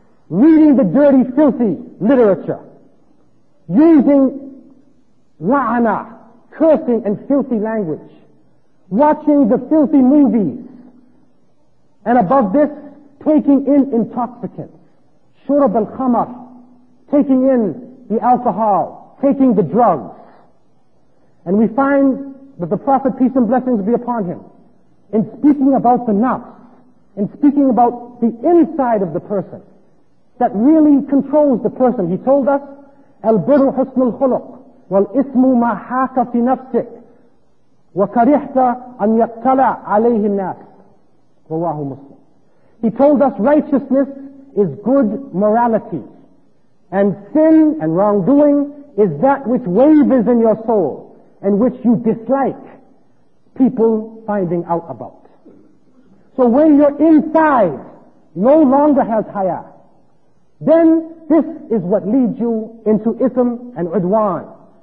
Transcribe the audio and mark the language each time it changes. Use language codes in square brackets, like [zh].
[en] Reading the dirty, filthy literature, using la'ana, cursing and filthy language, watching the filthy movies, and above this, taking in intoxicants, shurab al-khamar, taking in the alcohol, taking the drugs. And we find that the Prophet, peace and blessings be upon him, in speaking about the nafs, in speaking about the inside of the person that really controls the person, he told us, [ar] al-birru husnul khuluq, والاسم ما حاك في نفسك وكرهت أن يطلع عليه الناس. رواه مسلم. [en] He told us righteousness is good morality, and sin and wrongdoing is that which wavers in your soul and which you dislike people finding out about. So when your inside no longer has haya, then this is what leads you into ithm and udwan.